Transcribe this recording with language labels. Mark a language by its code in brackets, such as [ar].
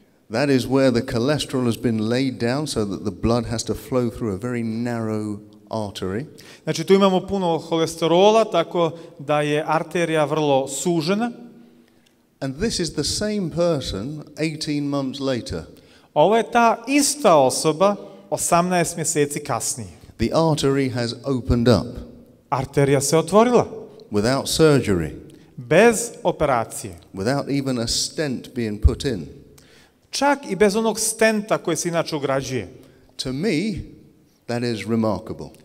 [en] That is where the cholesterol has been laid down so that the blood has to flow through a very narrow artery. [bs] Znači tu imamo puno holesterola, tako da je arterija vrlo sužena. [en] And this is the same person 18 months later. [bs] Ovo je ta ista osoba 18 mjeseci kasnije. [en] The artery has opened up. [bs] Arterija se otvorila. [en] Without surgery. [bs] Bez operacije. [en] Without even a stent being put in. [bs] Čak i bez onog stenta koji se inače ugrađuje. [en] To me, that is remarkable.